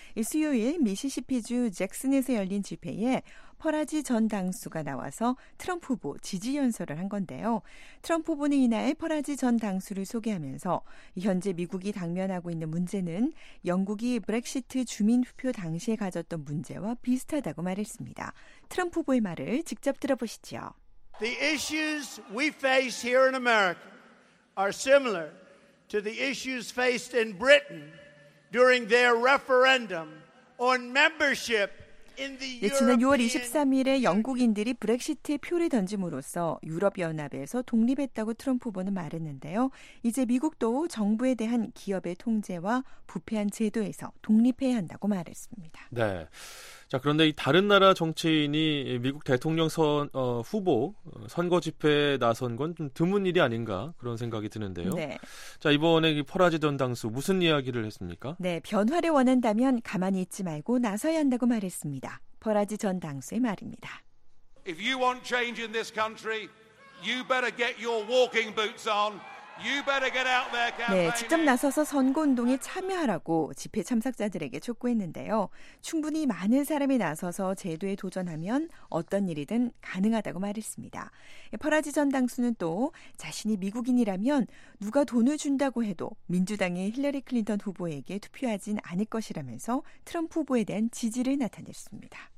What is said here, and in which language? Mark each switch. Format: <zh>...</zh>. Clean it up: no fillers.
<ko>수요일 미시시피주 잭슨에서 열린 집회에 퍼라지 전 당수가 나와서 트럼프 후보 지지 연설을 한 건데요. 트럼프 후보는 이날 퍼라지 전 당수를 소개하면서 현재 미국이 당면하고 있는 문제는 영국이 브렉시트 주민투표 당시에 가졌던 문제와 비슷하다고 말했습니다. 트럼프 후보의 말을 직접 들어보시죠.</ko> <en>The issues we face here in America are similar to the issues faced in Britain during their referendum on membership.</en> <ko>네, 지난 6월 23일에 영국인들이 브렉시트에 표를 던짐으로써 유럽연합에서 독립했다고 트럼프 후보는 말했는데요. 이제 미국도 정부에 대한 기업의 통제와 부패한 제도에서 독립해야 한다고 말했습니다. 네. 자, 그런데 이 다른 나라 정치인이 미국 대통령 후보 선거 집회에 나선 건 좀 드문 일이 아닌가 그런 생각이 드는데요. 네. 자, 이번에 이 퍼라지 전 당수 무슨 이야기를 했습니까? 네, 변화를 원한다면 가만히 있지 말고 나서야 한다고 말했습니다. 퍼라지 전 당수의 말입니다.</ko> <en>If you want change in this country, you better get your walking boots on. You better get out there, campaign.</en> <ko>네, 직접 나서서 선거운동에 참여하라고 집회 참석자들에게 촉구했는데요. 충분히 많은 사람이 나서서 제도에 도전하면 어떤 일이든 가능하다고 말했습니다. 퍼라지 전 당수는 또 자신이 미국인이라면 누가 돈을 준다고 해도 민주당의 힐러리 클린턴 후보에게 투표하진 않을 것이라면서 트럼프 후보에 대한 지지를 나타냈습니다.</ko>